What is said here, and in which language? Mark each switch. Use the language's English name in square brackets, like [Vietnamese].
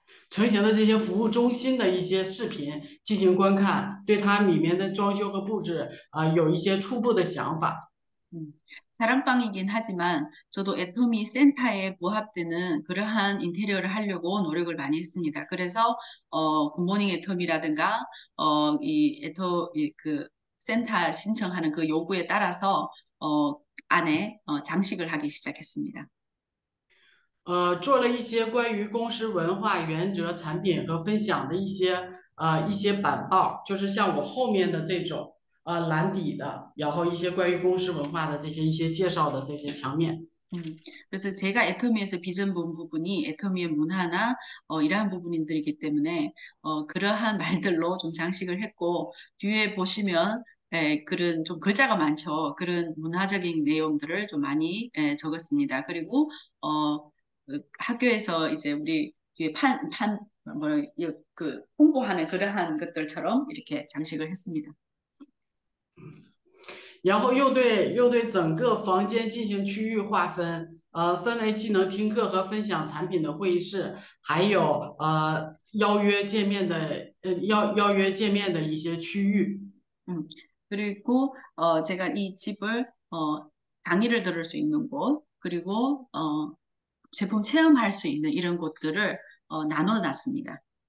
[Chinese] 成型的这些服务中心的一些视频进行观看，对它里面的装修和布置有一些初步的想法。 [Korean] 사랑방이긴 하지만 저도 애터미 센터에 부합되는 그러한 인테리어를 하려고 노력을 많이 했습니다. 그래서 굿모닝 애터미라든가 이 애터 이그 센터 신청하는 그 요구에 따라서 안에 장식을 하기 시작했습니다. [Chinese] 做了一些关于公司文化、原则、产品和分享的一些板报，就是像我后面的这种蓝底的，然后一些关于公司文化的一些介绍的这些墙面。 [Korean] 그래서 제가 애터미에서 빚은 부분이 애터미의 문화나 이러한 부분들이기 때문에 그러한 말들로 좀 장식을 했고 뒤에 보시면 그런 좀 글자가 많죠. 그런 문화적인 내용들을 좀 많이 적었습니다. 그리고 학교에서 이제 우리 뒤에 뭐라 그 홍보하는 그러한 것들처럼 이렇게 장식을 했습니다. [Chinese] 然后又对整个房间进行区域划分，分为技能听课和分享产品的会议室，还有邀约见面的一些区域。 [Korean] 그리고 제가 이 집을 강의를 들을 수 있는 곳, 그리고 제품 체험할 수 있는 이런 곳들을 나눠 놨습니다.